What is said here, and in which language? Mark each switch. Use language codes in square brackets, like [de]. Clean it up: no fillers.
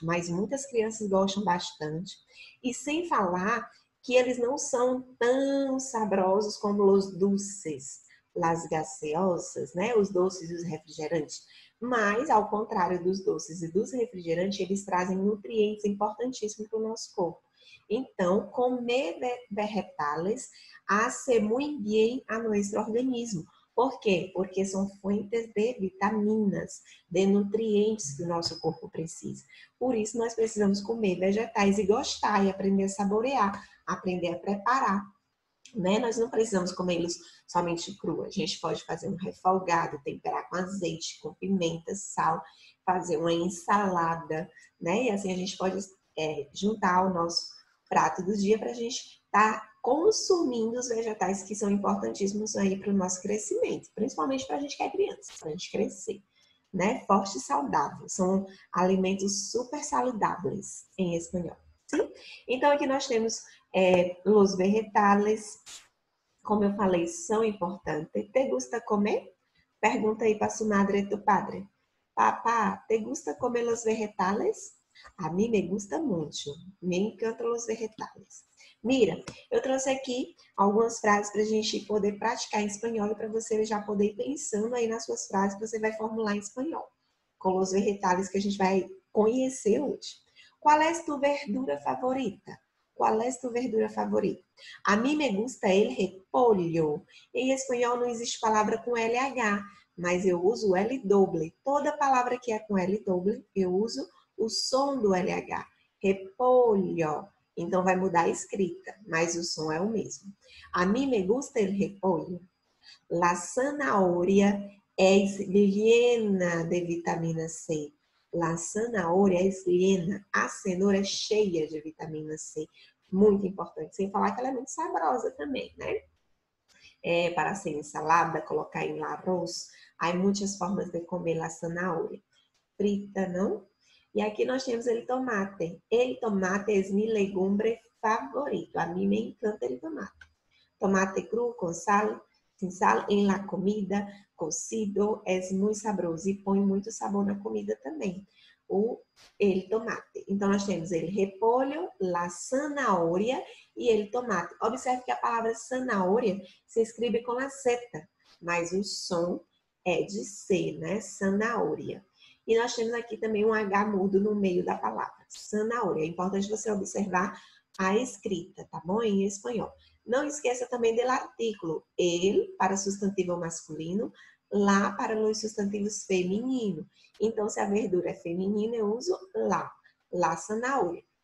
[pt] Mas muitas crianças gostam bastante. E sem falar que eles não são tão sabrosos como os dulces, las gaseosas, né? Os doces e os refrigerantes. Mas, ao contrário dos doces e dos refrigerantes, eles trazem nutrientes importantíssimos para o nosso corpo. [es] Então, comer vegetales hace muy bien a nuestro organismo. [pt] Por quê? Porque são fuentes de vitaminas, de nutrientes que o nosso corpo precisa. Por isso, nós precisamos comer vegetais e gostar, e aprender a saborear, aprender a preparar. Né? Nós não precisamos comê-los somente cru. A gente pode fazer um refogado, temperar com azeite, com pimenta, sal, fazer uma ensalada, né? E assim a gente pode juntar o nosso prato do dia para a gente estar consumindo os vegetais que são importantíssimos aí para o nosso crescimento, principalmente para a gente que é criança, para a gente crescer, né? Forte e saudável. São alimentos super saudáveis em espanhol. Sim? Então aqui nós temos los vegetales, como eu falei, são importantes. Te gusta comer? Pergunta aí para sua madre e tu padre. [es] Papá, te gusta comer los vegetales? [pt] A mim me gusta muito. Me encantam os vegetais. Mira, eu trouxe aqui algumas frases para a gente poder praticar em espanhol e para você já poder ir pensando aí nas suas frases que você vai formular em espanhol. Com os vegetais que a gente vai conhecer hoje. Qual é a tua verdura favorita? Qual é a tua verdura favorita? A mim me gusta el repolho. Em espanhol não existe palavra com LH, mas eu uso L doble. Toda palavra que é com L doble, eu uso o som do LH, repolho, então vai mudar a escrita, mas o som é o mesmo. [es] A mim me gusta el repolho. La zanahoria es llena de vitamina C. [pt] La zanahoria es llena, a cenoura é cheia de vitamina C. Muito importante, sem falar que ela é muito saborosa também, né? Para ser ensalada, colocar em arroz, há muitas formas de comer la zanahoria. Frita, não? E aqui nós temos el tomate. El tomate es mi legumbre [es] favorito. A mí me encanta el tomate. Tomate crudo con sal, sin sal en la comida, cocido, es muy sabroso y pone mucho sabor a la comida también. O el tomate. Entonces, tenemos el repollo, la zanahoria y el tomate. Observe que la palabra zanahoria se escribe con la Z, mas el son es de C, ¿no? Zanahoria. [pt] E nós temos aqui também um H mudo no meio da palavra. Zanahoria. É importante você observar a escrita, tá bom? Em espanhol. Não esqueça também do artículo. El para substantivo masculino. La para os substantivos femininos. Então, se a verdura é feminina, eu uso la. La zanahoria.